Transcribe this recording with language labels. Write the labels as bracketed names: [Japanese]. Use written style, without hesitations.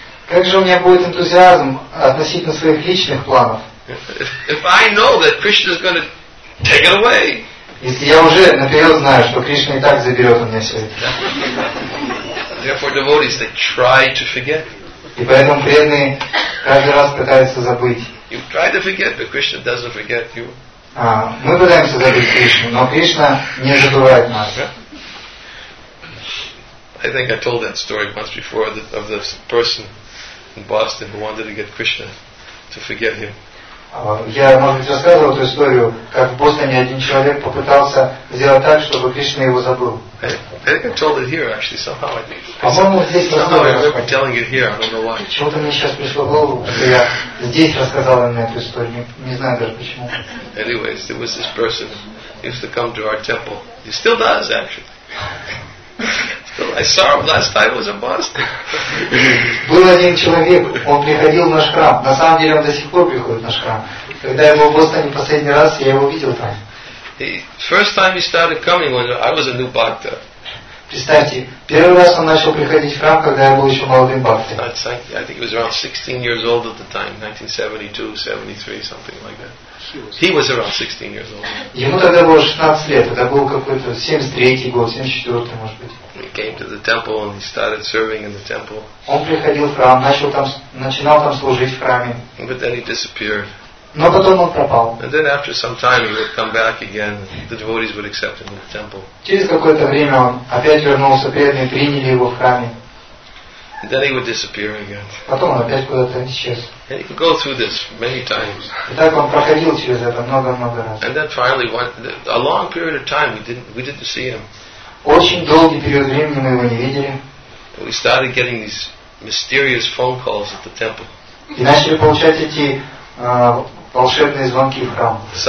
[Russian] Как же у меня будет энтузиазм относительно своих личных планов? [English] If I know that Krishna is going to take it away. [Russian] Если я уже наперед знаю, что Кришна и так заберет у меня все это. [English] Therefore devotees, they try to forget. [Russian] И поэтому преданные каждый раз пытаются забыть. [English] You try to forget, but Krishna doesn't forget you. [Russian] Мы пытаемся забыть Кришну, но Кришна не забывает нас. [English] I think I told that story once before of the person in Boston who wanted to get Krishna to forget him. [Russian] Я, может быть, рассказывал эту историю, как в Бостоне один человек попытался сделать так, чтобы Кришна его забыл. [English] I think I told it here, actually, somehow. [Russian] По-моему, здесь рассказывал. [English] I'm telling it here, I don't know why. [Russian] Чего-то мне сейчас пришло в голову, что я здесь рассказал ему эту историю, не знаю даже почему. [English] Anyways, there was this person who used to come to our temple. He still does, actually. I saw him last time. Was in Boston. [Russian] Был один человек. Он приходил в наш храм. На самом деле, он до сих пор приходит в наш храм. Когда я был в Бостоне последний раз, я его видел там. [English] The first time he started coming when I was a new bhakta. [Russian] Представьте, первый раз он начал приходить в храм, когда я был еще молодым бхактой. [English] I think he was around 16 years old at the time, 1972, 73, something like that. He was around 16 years old. [Russian] Ему тогда было 16 лет. Это был какой-то 73-й год, 74-й, может быть. [English] He came to the temple and he started serving in the temple. [Russian] Он приходил в храм, начинал там служить в храме. [English] But then he disappeared. [Russian] Но потом он пропал. [English] And then after some time he would come back again. The devotees would accept him in the temple. [Russian] Через какое-то время он опять вернулся, преданные приняли его в храме. [English] And then he would disappear again. [Russian] Потом он опять куда-то исчез. [English] And he could go through this many times. [Russian] И так он проходил через это много-много раз. [English] And then finally, a long period of time, we didn't see him. [Russian] Очень долгий период времени мы его не видели. [English] And we started getting these mysterious phone calls at the temple. [Russian] И начали получать эти волшебные звонки в храм.